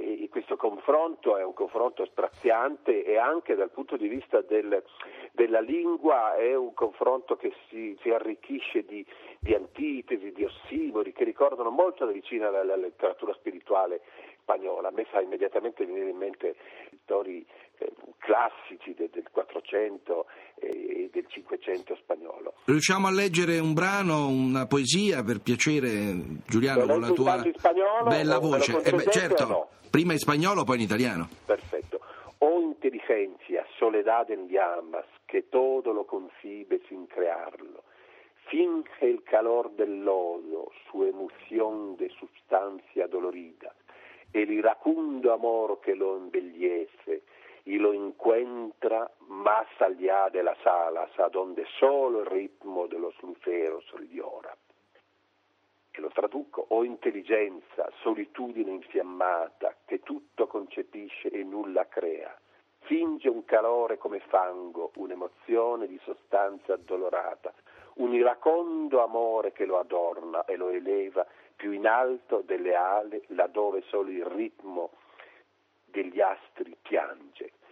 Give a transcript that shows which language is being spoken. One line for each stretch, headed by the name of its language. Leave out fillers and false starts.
Italian: questo confronto è un confronto straziante, e anche dal punto di vista della lingua è un confronto che si arricchisce di antitesi, di ossimori, che ricordano molto da vicino alla letteratura spirituale spagnola. A me fa immediatamente venire in mente autori classici del 400 e del 500 spagnolo. Riusciamo a leggere un brano, una poesia, per piacere, Giuliano, con la tua bella voce? Certo, no? Prima in spagnolo, poi in italiano. Perfetto.
Spanish: O inteligencia, soledad en llamas, que todo lo concibe sin crearlo. Finge el calor del lodo, su emoción de sustancia dolorida, el iracundo amor que lo embellece y lo encuentra más allá de las alas, a donde solo el ritmo de los luceros llora.
Italian: E lo traduco: o intelligenza, solitudine infiammata, che tutto concepisce e nulla crea, finge un calore come fango, un'emozione di sostanza addolorata, un iracondo amore che lo adorna e lo eleva più in alto delle ali, laddove solo il ritmo degli astri piange.